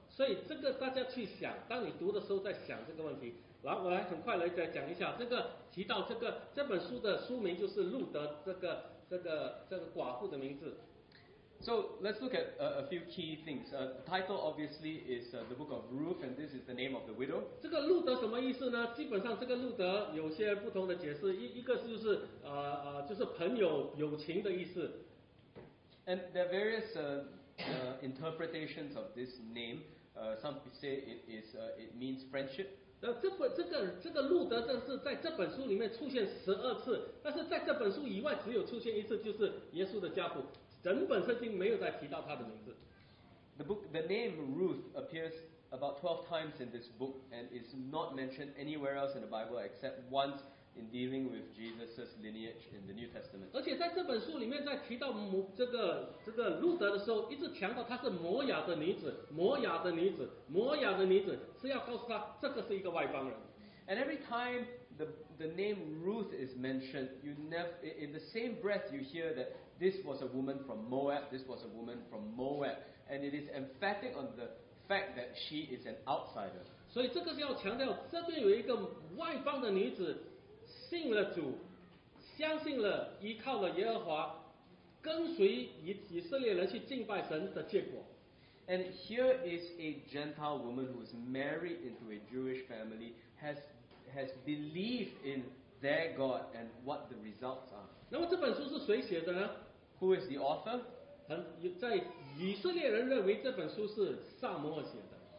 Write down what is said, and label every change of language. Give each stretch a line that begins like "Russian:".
Chinese: 所以这个大家去想，当你读的时候在想这个问题。来，我来很快来再讲一下这个提到这个这本书的书名就是路德这个寡妇的名字。
English: So let's look at a few key things. The title obviously is the Book of Ruth, and this is the name of the widow.
Chinese: 这个路德什么意思呢？基本上这个路德有些不同的解释。一个就是就是朋友友情的意思。
English: And there are various interpretations of this name. Some say it means friendship.
Chinese: 这个路德正是在这本书里面出现十二次，但是在这本书以外只有出现一次，就是耶稣的家谱。整本圣经没有再提到他的名字。
English: The name Ruth appears about 12 times in this book and is not mentioned anywhere else in the Bible except once in dealing with Jesus' lineage in the New Testament.
Chinese: 而且在这本书里面，在提到这个路德的时候，一直强调他是摩亚的女子，摩亚的女子，摩亚的女子，是要告诉他这个是一个外邦人。
English: And every time the name Ruth is mentioned, you never in the same breath you hear that this was a woman from Moab, this was a woman from Moab, and it is emphatic on the fact that she is an outsider.
Chinese: 所以这个是要强调，这边有一个外邦的女子，信了主，相信了，依靠了耶和华，跟随以色列人去敬拜神的结果。
English: And here is a Gentile woman who is married into a Jewish family, has believed in their God and what the results are.
Chinese: 那么这本书是谁写的呢？
English: Who is the author?
Chinese: 在以色列人认为这本书是撒母耳写的。